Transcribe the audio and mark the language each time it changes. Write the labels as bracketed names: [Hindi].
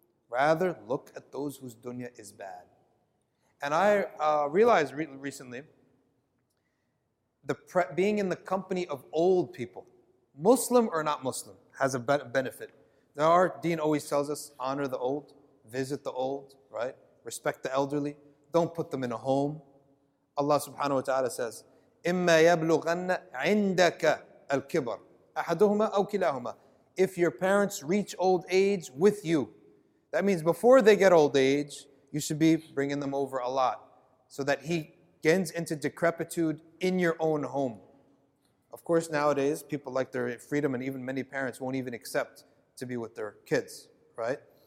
[English] Rather, look at those whose dunya is bad. And I realized recently, being in the company of old people, Muslim or not Muslim, has a benefit. Now our deen always tells us, honor the old, visit the old, right? Respect the elderly, don't put them in a home. Allah subhanahu wa ta'ala says, [Arabic] إِمَّا يَبْلُغَنَّ عِنْدَكَ الْكِبَرِ أَحَدُهُمَا أَوْ كِلَاهُمَا. [English] If your parents reach old age with you, that means before they get old age, you should be bringing them over a lot so that he gets into decrepitude in your own home. Of course, nowadays, people like their freedom and even many parents won't even accept to be with their kids, right?